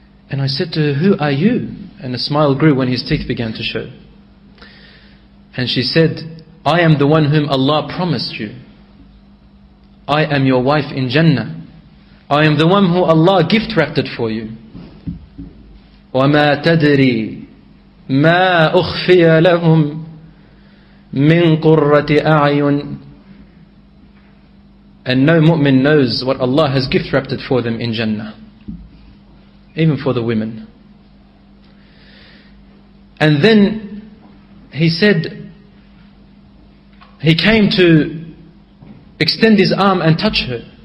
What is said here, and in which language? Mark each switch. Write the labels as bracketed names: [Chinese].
[English] And I said to her, who are you? And a smile grew when his teeth began to show. And she said, I am the one whom Allah promised you. I am your wife in Jannah. I am the one who Allah gift wrapped it for you. [Arabic] وما تدري ما أخفي لهم من قرة أعين. [English] And no mu'min knows what Allah has gift-wrapped for them in Jannah, even for the women. And then he said, he came to extend his arm and touch her.